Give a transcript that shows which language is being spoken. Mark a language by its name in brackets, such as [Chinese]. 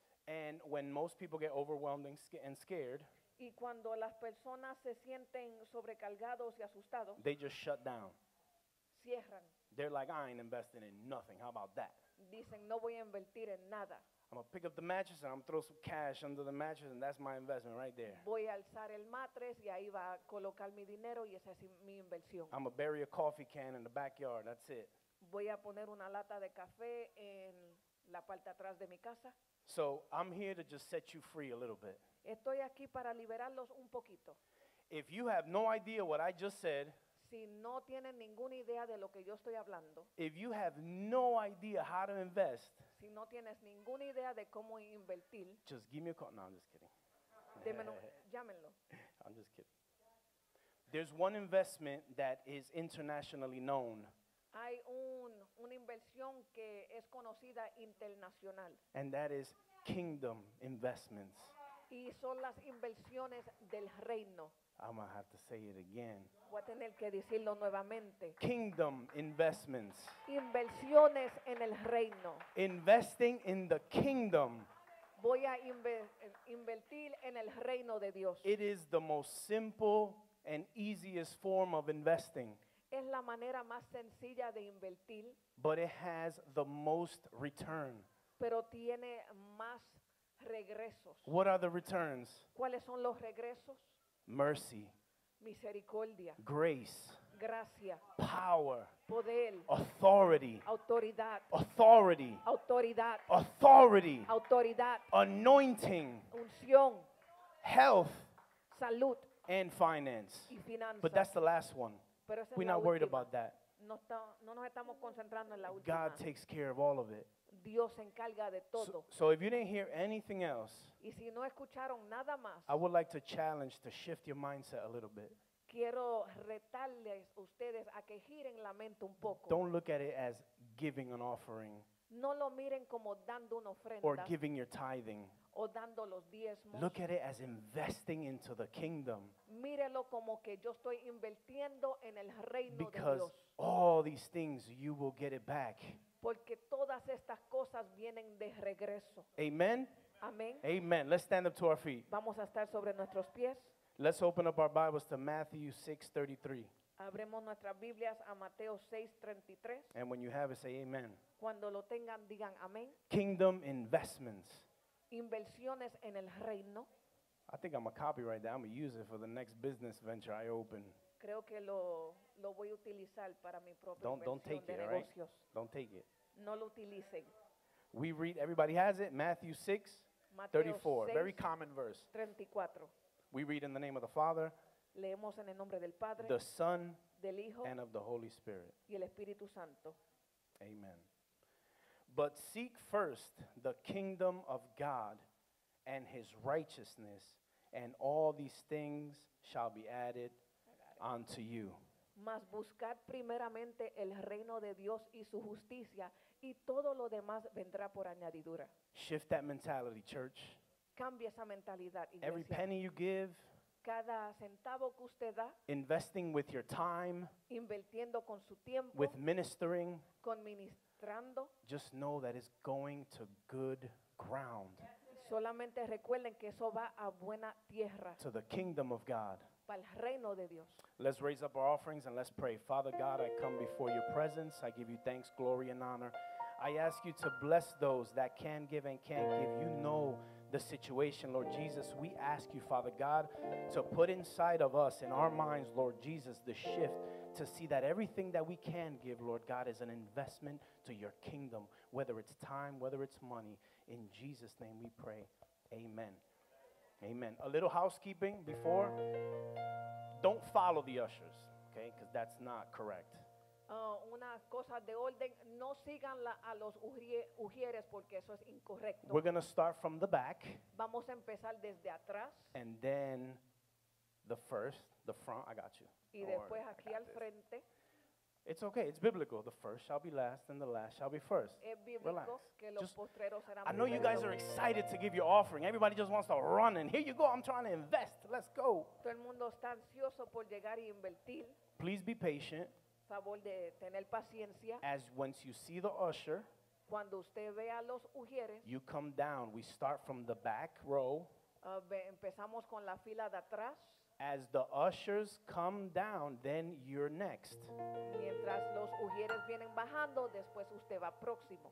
[English] And when most people get overwhelmed and scared, [Spanish] y cuando las personas se sienten sobrecargados y asustados, [English] they just shut down. [Spanish] Cierran. [English] They're like, I ain't investing in nothing. How about that? [Spanish] Dicen, no voy a invertir en nada. [English] I'm going to pick up the mattress and I'm going to throw some cash under the mattress and that's my investment right there. [Spanish] Voy a alzar el mattress y ahí va a colocar mi dinero y esa es mi inversión. [English] I'm going to bury a coffee can in the backyard. That's it. [Spanish] Voy a poner una lata de café en la parte atrás de mi casa. [English] So I'm here to just set you free a little bit. [Spanish] Estoy aquí para liberarlos un poquito. [English] If you have no idea what I just said, [Spanish] si no tienen ninguna idea de lo que yo estoy hablando, [English] if you have no idea how to invest, [Spanish] si no tienes ninguna idea de cómo invertir, [English] just give me a call. No, I'm just kidding. [Spanish] Démelo, llámenlo. [English] I'm just kidding. There's one investment that is internationally known. [Spanish] Hay una inversión que es conocida internacional. [English] And that is kingdom investments. [Spanish] Y son las inversiones del reino. [English] I'm going to have to say it again. [Spanish] Voy a tener que decirlo nuevamente. [English] Kingdom investments. [Spanish] Inversiones en el reino. [English] Investing in the kingdom. [Spanish] Voy a invertir en el reino de Dios. [English] It is the most simple and easiest form of investing. [Spanish] Es la manera más sencilla de invertir. [English] But it has the most return. [Spanish] Pero tiene más regresos. [English] What are the returns? [Spanish] ¿Cuáles son los regresos? [English] Mercy. [Spanish] Misericordia. [English] Grace. [Spanish] Gracia. [English] Power. [Spanish] Poder. [English] Authority. [Spanish] Autoridad. [English] Authority. [Spanish] Autoridad. [English] Authority. [Spanish] Autoridad. [English] Anointing. [Spanish] Unción. [English] Health. [Spanish] Salud. [English] And finance. [Spanish] Y finanzas. [English] But that's the last one. [Spanish] Pero [English] we're not worried [Spanish] última. [English] About that. [Spanish] No nos estamos concentrando en la última. [English] God takes care of all of it. [Spanish] Dios se encarga de todo. [English] So if you didn't hear anything else, [Spanish] y si no escucharon nada más, [English] I would like to challenge to shift your mindset a little bit. [Spanish] Quiero retarles ustedes a que giren la mente un poco. [English] Don't look at it as giving an offering. [Spanish] No lo miren como dando una ofrenda. [English] Or giving your tithing. [Spanish] O dando los diezmos. [English] Look at it as investing into the kingdom. [Spanish] Mírelo como que yo estoy invirtiendo en el reino de Dios. [English] Because all these things, you will get it back. [Spanish] Porque todas estas cosas vienen de regreso. [English] Amen. Amen. Amen. Let's stand up to our feet. [Spanish] Vamos a estar sobre nuestros pies. [English] Let's open up our Bibles to Matthew 6:33. [Spanish] Abremos nuestras Biblias a Mateo 6:33. [English] And when you have it, say amen. [Spanish] Cuando lo tengan, digan amén. [English] Kingdom investments. [Spanish] Inversiones en el reino. [English] I think I'm going to copyright that. I'm going to use it for the next business venture I open. [Spanish] Creo que lo voy a utilizar para mi propia inversión de negocios. [English] Don't take it, right? Don't take it. [Spanish] No lo utilicen. [English] We read, everybody has it, Matthew 6:34. Very common verse. [Spanish] 34. [English] We read in the name of the Father, [Spanish] leemos en el nombre del Padre, [English] the Son, [Spanish] del Hijo, [English] and of the Holy Spirit. [Spanish] Y el Espíritu Santo. [English] Amen. But seek first the kingdom of God and his righteousness, and all these things shall be added unto you. [Spanish] Mas buscad primeramente el reino de Dios y su justicia, y todo lo demás vendrá por añadidura. [English] Shift that mentality, church. [Spanish] Cambia esa mentalidad, iglesia. [English] Every penny you give, [Spanish] cada centavo que usted da, [English] investing with your time, [Spanish] invirtiendo con su tiempo, [English] with ministering, [Spanish] con ministrando, [English] just know that it's going to good ground. [Spanish] Solamente recuerden que eso va a buena tierra. [English] To the kingdom of God. [Spanish] Para el reino de Dios. [English] Let's raise up our offerings and let's pray. Father God, I come before your presence. I give you thanks, glory, and honor. I ask you to bless those that can give and can't give. You know the situation, Lord Jesus. We ask you, Father God, to put inside of us, in our minds, Lord Jesus, the shift to see that everything that we can give, Lord God, is an investment to your kingdom, whether it's time, whether it's money. In Jesus' name we pray. Amen. Amen. A little housekeeping before. Don't follow the ushers, okay? Because that's not correct. [Spanish] Una cosa de orden, no sigan a los ujieres porque eso es incorrecto. [English] We're going to start from the back. [Spanish] Vamos a empezar desde atrás. [English] And then the first, the front, I got you. [Spanish] Y después aquí al frente. [English] It's okay, it's biblical. The first shall be last and the last shall be first. [Spanish] Es bíblico que los postreros serán primero. [English] I know you guys are excited to give your offering. Everybody just wants to run and here you go, I'm trying to invest. Let's go. [Spanish] Todo el mundo está ansioso por llegar y invertir. [English] Please be patient. [Spanish] Favor de tener paciencia. [English] As once you see the usher, [Spanish] cuando usted ve a los ujieres, [English] you come down. We start from the back row. [Spanish] Empezamos con la fila de atrás. [English] As the ushers come down, then you're next. [Spanish] Mientras los ujieres vienen bajando, después usted va próximo.